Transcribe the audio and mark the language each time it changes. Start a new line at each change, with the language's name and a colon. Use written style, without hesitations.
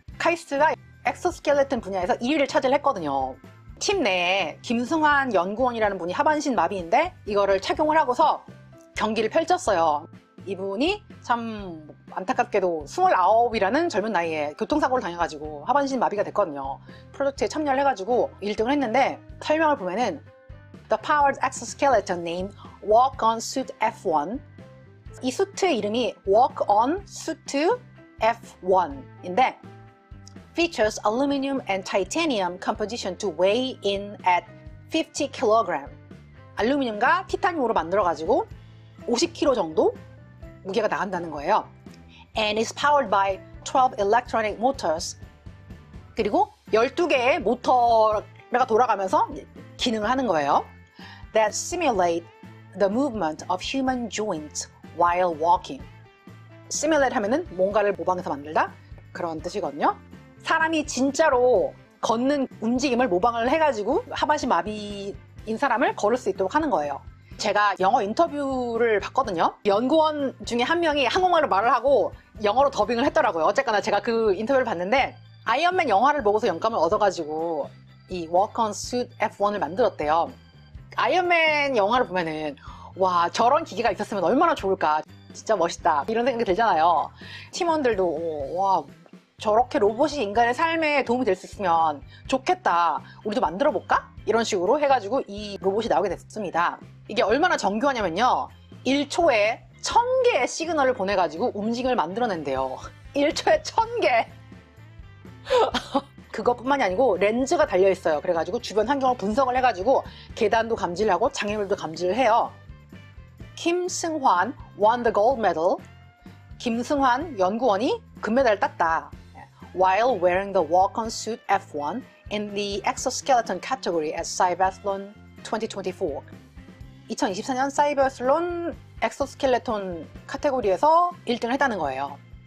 Korean: 카이스트가 엑소스켈레톤 분야에서 1위를 차지했거든요. 팀 내에 김승환 연구원이라는 분이 하반신 마비인데 이거를 착용을 하고서 경기를 펼쳤어요. 이분이 참 안타깝게도 29이라는 젊은 나이에 교통사고를 당해가지고 하반신 마비가 됐거든요. 프로젝트에 참여를 해가지고 1등을 했는데 설명을 보면은
English: The powered exoskeleton named Walk on Suit F1.
Korean: 이 수트의 이름이 Walk on Suit F1인데,
English: features aluminum and titanium composition to weigh in at 50 kg.
Korean: 알루미늄과 티타늄으로 만들어가지고 50kg 정도 무게가 나간다는 거예요.
English: And is powered by 12 electronic motors.
Korean: 그리고 12개의 모터가 돌아가면서 기능을 하는 거예요.
English: That simulate the movement of human joints while walking.
Korean: Simulate 하면은 뭔가를 모방해서 만들다? 그런 뜻이거든요. 사람이 진짜로 걷는 움직임을 모방을 해가지고 하반신 마비인 사람을 걸을 수 있도록 하는 거예요. 제가 영어 인터뷰를 봤거든요. 연구원 중에 한 명이 한국말로 말을 하고 영어로 더빙을 했더라고요. 어쨌거나 제가 그 인터뷰를 봤는데, 아이언맨 영화를 보고서 영감을 얻어가지고 이 Walk on Suit F1을 만들었대요. 아이언맨 영화를 보면은, 와, 저런 기계가 있었으면 얼마나 좋을까. 진짜 멋있다 이런 생각이 들잖아요. 팀원들도 와 저렇게 로봇이 인간의 삶에 도움이 될 수 있으면 좋겠다, 우리도 만들어 볼까? 이런 식으로 해가지고 이 로봇이 나오게 됐습니다. 이게 얼마나 정교하냐면요, 1초에 1000개의 시그널을 보내가지고 움직임을 만들어낸대요. 1초에 1000개. 그것뿐만이 아니고 렌즈가 달려있어요. 그래가지고 주변 환경을 분석을 해가지고 계단도 감지를 하고 장애물도 감지를 해요.
English: 김승환 won the gold medal.
Korean: 김승환 연구원이 금메달을 땄다.
English: While wearing the walk-on suit F1 in the exoskeleton category at Cyberathlon 2024.
Korean: 2024년 사이버스론 엑소스켈레톤 카테고리에서 1등을 했다는 거예요.